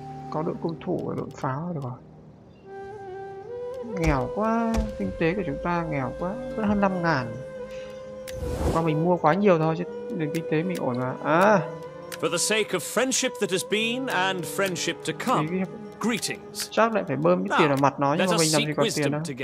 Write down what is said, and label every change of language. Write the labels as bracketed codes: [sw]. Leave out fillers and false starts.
[vi] Có đội cung thủ và đội pháo rồi được rồi. Nghèo quá, kinh tế của chúng ta nghèo quá, vẫn hơn 5000. Qua mình mua quá nhiều thôi chứ nền kinh tế mình ổn mà. À. [en] For the sake of friendship that has been and friendship to come. Greetings. [vi] Chắc lại phải bơm ít tiền vào mặt nó, nhưng mà mình làm gì có tiền đâu.